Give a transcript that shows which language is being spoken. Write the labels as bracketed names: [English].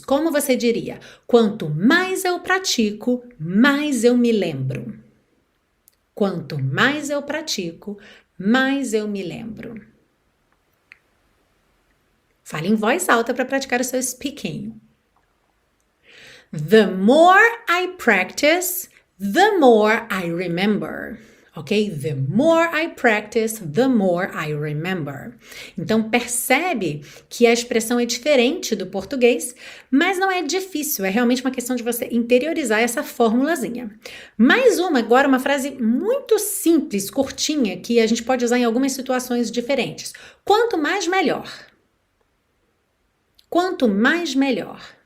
[Portuguese] Como você diria? Quanto mais eu pratico, mais eu me lembro. Quanto mais eu pratico, mais eu me lembro. Fale em voz alta para praticar o seu speaking. [English] The more I practice, the more I remember. Ok? The more I practice, the more I remember. [Portuguese] Então, percebe que a expressão é diferente do português, mas não é difícil, é realmente uma questão de você interiorizar essa formulazinha. Mais uma agora, uma frase muito simples, curtinha, que a gente pode usar em algumas situações diferentes. Quanto mais, melhor. Quanto mais, melhor.